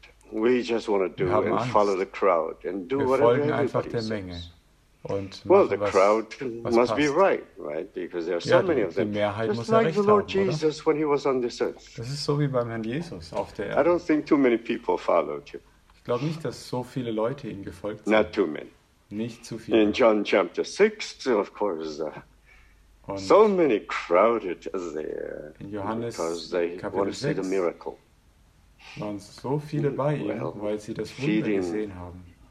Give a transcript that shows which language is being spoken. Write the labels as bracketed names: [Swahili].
[German] Wir haben Angst. Wir folgen einfach der Menge und machen, was passt. Ja, die Mehrheit muss ja recht haben, oder? Das ist so wie beim Herrn Jesus auf der Erde. Ich glaube nicht, dass viele Leute folgen. Ich glaube nicht, dass so viele Leute ihm gefolgt sind. [English] Not too many. [German] Nicht zu viele. [English] In John chapter 6, of course, so many crowded there. [German] In Johannes Kapitel 6 waren so viele bei ihm, well, weil sie das Wunder gesehen haben.